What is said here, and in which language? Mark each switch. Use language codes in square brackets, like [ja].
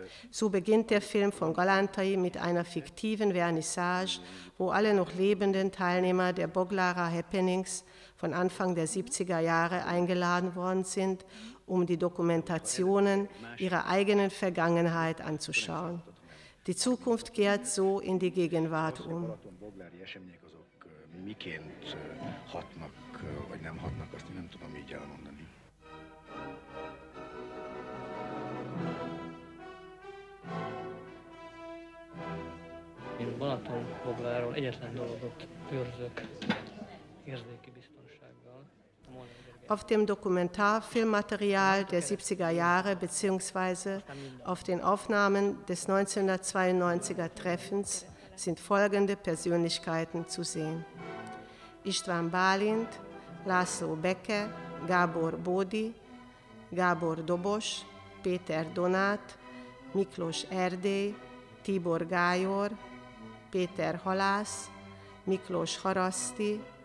[de] So beginnt der Film von Galántai mit einer fiktiven Vernissage, wo alle noch lebenden Teilnehmer der Boglarer Happenings von Anfang der 70er Jahre eingeladen worden sind, um die Dokumentationen ihrer eigenen Vergangenheit anzuschauen. Die Zukunft kehrt so in die Gegenwart um. [hu] Miként hatnak, vagy nem hatnak, azt én nem tudom így elmondani. Én Balatonfogláról egyetlen dolgot őrzök érzéki biztonsággal. [de] Auf dem Dokumentarfilmmaterial der 70er Jahre bzw. auf den Aufnahmen des 1992er Treffens sind folgende Persönlichkeiten zu sehen. István Bálint, László Beke, Gábor Bódi, Gábor Dobos, Péter Donát, Miklós Erdély, Tibor Gájor, Péter Halász, Miklós Haraszti,